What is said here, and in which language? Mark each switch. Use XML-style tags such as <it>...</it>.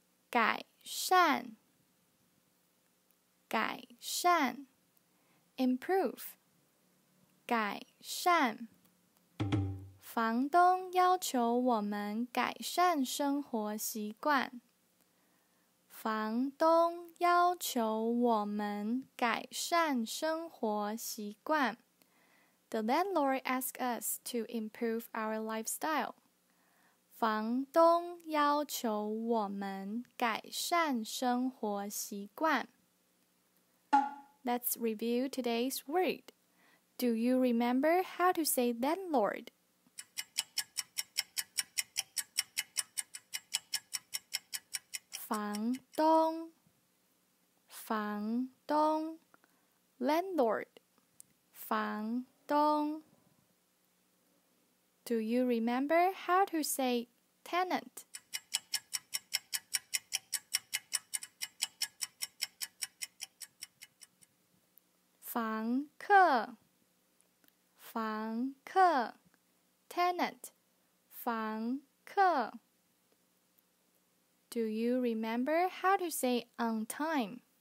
<zh>改善，改善 ，improve， 改善。房东要求我们改善生活习惯。房东要求我们改善生活习惯。</zh> <en>The landlord asks us to improve our lifestyle.</en> <zh>房东要求我们改善生活习惯。</zh> <en>Let's review today's word. Do you remember how to say landlord?</en> <zh>房东，房东 ，landlord， 房东。</zh> <en>Do you remember how to say tenant?</en> <zh>房客，房客 ，tenant， 房客。</zh> <en>Do you remember how to say on time?</en>